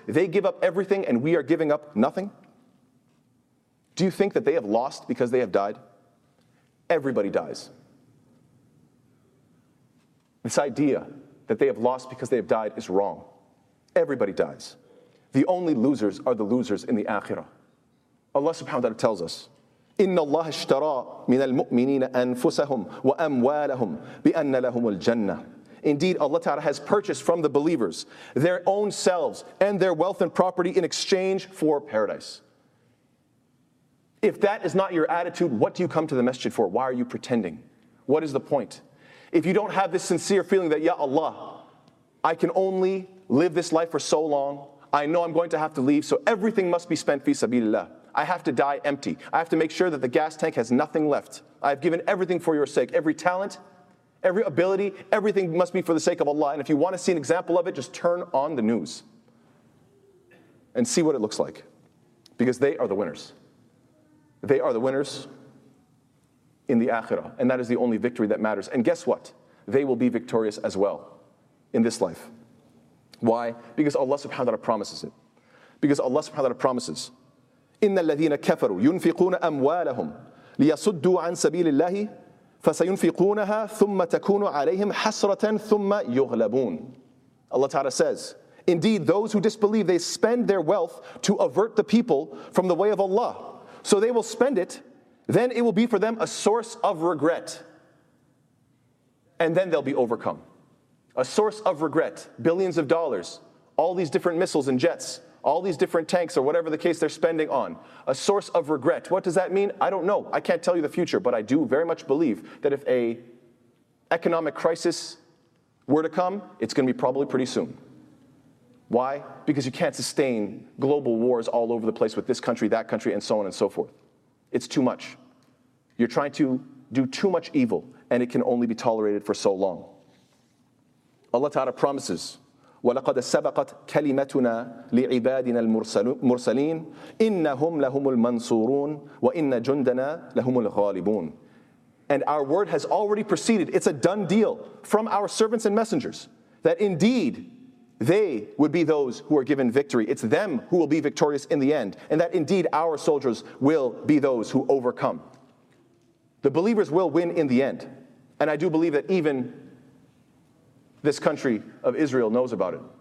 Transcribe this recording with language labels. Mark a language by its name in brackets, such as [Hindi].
[English] They give up everything and we are giving up nothing? Do you think that they have lost because they have died? Everybody dies. This idea that they have lost because they have died is wrong. Everybody dies. The only losers are the losers in the Akhirah. Allah subhanahu wa ta'ala tells us, [Arabic] إِنَّ اللَّهَ اشْتَرَى مِنَ الْمُؤْمِنِينَ أَنفُسَهُمْ وَأَمْوَالَهُمْ بِأَنَّ لَهُمُ الْجَنَّةِ. [English] Indeed, Allah ta'ala has purchased from the believers their own selves and their wealth and property in exchange for paradise. If that is not your attitude, what do you come to the masjid for? Why are you pretending? What is the point? If you don't have this sincere feeling that, Ya Allah, I can only live this life for so long. I know I'm going to have to leave, so everything must be spent fi sabilillah. I have to die empty. I have to make sure that the gas tank has nothing left. I've given everything for your sake. Every talent, every ability, everything must be for the sake of Allah. And if you want to see an example of it, just turn on the news and see what it looks like. Because they are the winners. They are the winners in the Akhirah. And that is the only victory that matters. And guess what? They will be victorious as well in this life. Why? Because Allah subhanahu wa ta'ala promises it. Because Allah subhanahu wa ta'ala promises, [Arabic] إِنَّ الَّذِينَ كَفَرُوا يُنْفِقُونَ أَمْوَالَهُمْ لِيَصُدُّوا عَن سَبِيلِ اللَّهِ فَسَيُنْفِقُونَهَا ثُمَّ تَكُونُ عَلَيْهِمْ حَسْرَةً ثُمَّ يُغْلَبُونَ. [English] Allah ta'ala says, indeed, those who disbelieve, they spend their wealth to avert the people from the way of Allah. So they will spend it, then it will be for them a source of regret. And then they'll be overcome. A source of regret, billions of dollars, all these different missiles and jets, all these different tanks or whatever the case they're spending on. A source of regret. What does that mean? I don't know. I can't tell you the future, but I do very much believe that if an economic crisis were to come, it's going to be probably pretty soon. Why? Because you can't sustain global wars all over the place with this country, that country, and so on and so forth. It's too much. You're trying to do too much evil, and it can only be tolerated for so long. Allah Ta'ala promises, [Arabic] وَلَقَدْ سَبَقَتْ كَلِمَتُنَا لِعِبَادِنَا الْمُرْسَلِينَ إِنَّهُمْ لَهُمُ الْمَنْصُورُونَ وَإِنَّ جُنْدَنَا لَهُمُ الْغَالِبُونَ. [English] And our word has already proceeded. It's a done deal from our servants and messengers that indeed they would be those who are given victory. It's them who will be victorious in the end. And that indeed our soldiers will be those who overcome. The believers will win in the end. And I do believe that even this country of Israel knows about it.